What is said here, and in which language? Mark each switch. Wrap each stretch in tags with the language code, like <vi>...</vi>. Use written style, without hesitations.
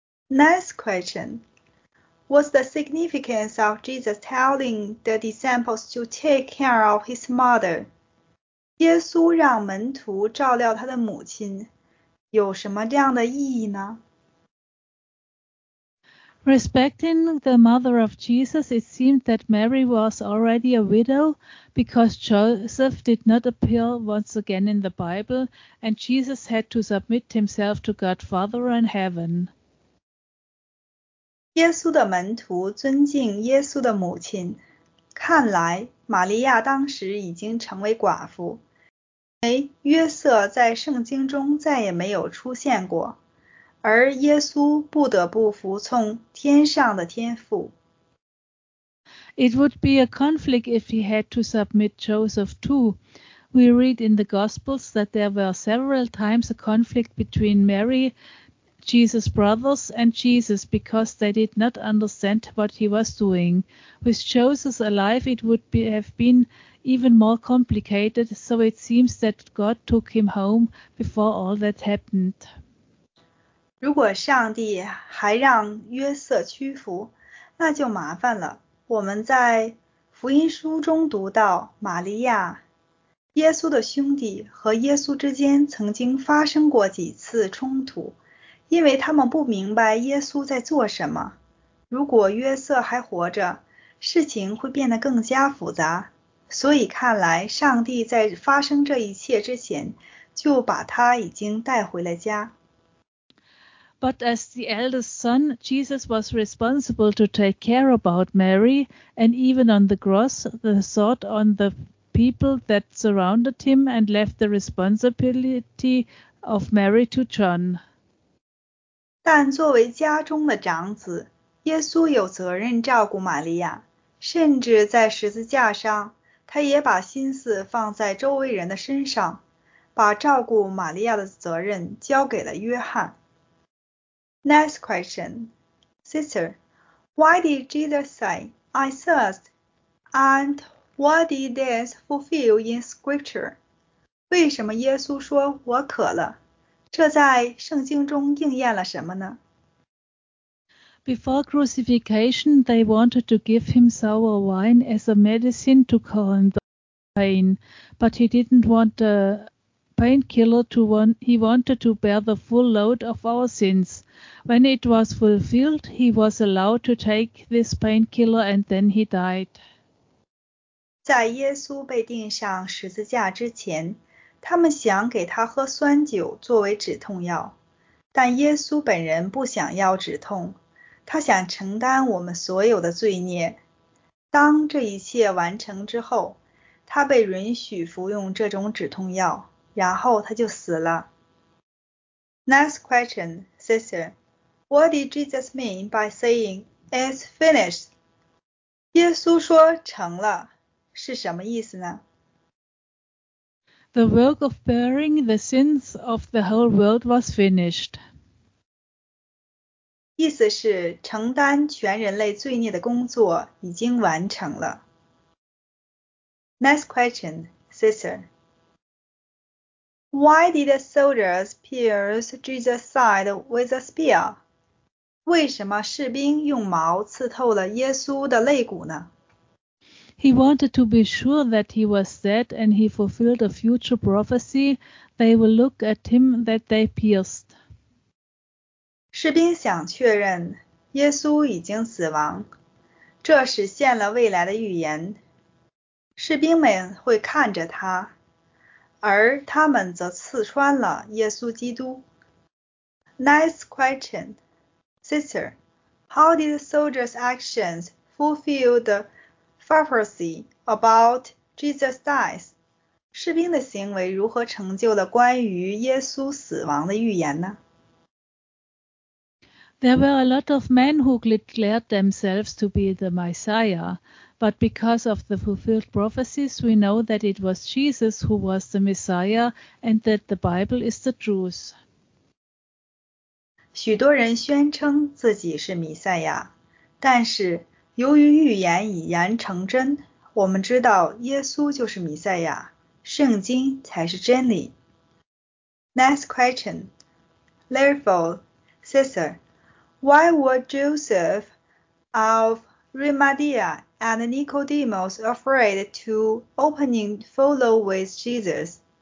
<en>Next question. What's the significance of Jesus telling the disciples to take care of his mother?</en> <zh>耶稣让门徒照料他的母亲，有什么这样的意义呢？</zh> <en>Respecting the mother of Jesus, it seemed that Mary was already a widow because Joseph did not appear once again in the Bible, and Jesus had to submit himself to God Father in heaven.</en> <zh>耶稣的门徒尊敬耶稣的母亲，看来玛利亚当时已经成为寡妇，因为约瑟在圣经中再也没有出现过。而耶稣不得不服从天上的天父。</zh> <en>It would be a conflict if he had to submit Joseph too. We read in the Gospels that there were several times a conflict between Mary, Jesus' brothers, and Jesus because they did not understand what he was doing. With Joseph alive, it would have been even more complicated, so it seems that God took him home before all that happened.</en> <zh>如果上帝还让约瑟屈服，那就麻烦了。我们在福音书中读到，玛利亚、耶稣的兄弟和耶稣之间曾经发生过几次冲突，因为他们不明白耶稣在做什么。如果约瑟还活着，事情会变得更加复杂。所以看来，上帝在发生这一切之前，就把他已经带回了家。</zh> <en>But as the eldest son, Jesus was responsible to take care about Mary, and even on the cross, the thought on the people that surrounded him and left the responsibility of Mary to John.</en> <zh>但作为家中的长子，耶稣有责任照顾玛利亚，甚至在十字架上，他也把心思放在周围人的身上，把照顾玛利亚的责任交给了约翰。</zh> <en>Next question. Sister, why did Jesus say, I thirst? And what did this fulfill in scripture?</en> <zh>为什么耶稣说我渴了？这在圣经中应验了什么呢？</zh> <en>Before crucifixion, they wanted to give him sour wine as a medicine to calm the pain, but he didn't want a painkiller to one. He wanted to bear the full load of our sins. When it was fulfilled, he was allowed to take this painkiller and then he died.</en> <zh>在耶稣被钉上十字架之前，他们想给他喝酸酒作为止痛药，但耶稣本人不想要止痛。他想承担我们所有的罪孽。当这一切完成之后，他被允许服用这种止痛药，然后他就死了。</zh> <en>Next question, sister. What did Jesus mean by saying, it's finished?</en> <zh>耶稣说成了，是什么意思呢？</zh> <en>The work of bearing the sins of the whole world was finished.</en> <zh>意思是承担全人类罪孽的工作已经完成了。</zh> <en>Next question, sister. Why did the soldiers pierce Jesus' side with a spear?</en> <zh>为什么士兵用矛刺透了耶稣的肋骨呢？</zh> <en>He wanted to be sure that he was dead and he fulfilled a future prophecy. They will look at him that they pierced.</en> <zh>士兵想确认耶稣已经死亡，这实现了未来的预言。士兵们会看着他，而他们则刺穿了耶稣基督。</zh> <en>Next question. Sister, how did the soldiers' actions fulfill the prophecy about Jesus' death?</en> <zh>士兵的行为如何成就了关于耶稣死亡的预言呢？</zh> <en>There were a lot of men who declared themselves to be the Messiah, but because of the fulfilled prophecies, we know that it was Jesus who was the Messiah and that the Bible is the truth.</en> <zh>许多人宣称自己是弥赛亚，但是由于预言已然成真，我们知道耶稣就是弥赛亚，圣经才是真理。</zh> <en>Next question. Therefore, sister,Why were Joseph of Arimathea and Nicodemus afraid to opening follow with Jesus?</en>